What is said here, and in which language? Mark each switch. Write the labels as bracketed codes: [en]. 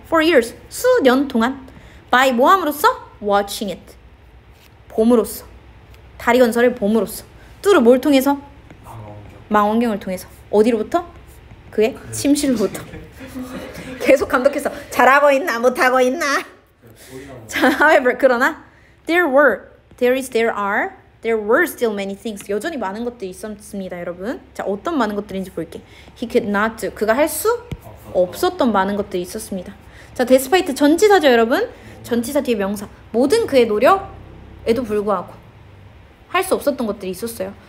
[en] For years, [ko] 수년 동안. [en] By [ko] 뭐함으로써? [en] Watching it. [ko] 봄으로써. 다리 건설을 봄으로써. Through 뭘 통해서? 망원경을 통해서. 어디로부터? 그의 침실로부터. 계속 감독해서 잘하고 있나 못하고 있나. [en] 자, however, [ko] 그러나 [en] there were, there is, there are, there were still many things. [ko] 여전히 많은 것들이 있었습니다 여러분. 자, 어떤 많은 것들인지 볼게. [en] He could not do. [ko] 그가 할 수 없었던 많은 것들이 있었습니다. 자, despite 전치사죠 여러분. 전치사 뒤에 명사. 모든 그의 노력에도 불구하고 할 수 없었던 것들이 있었어요.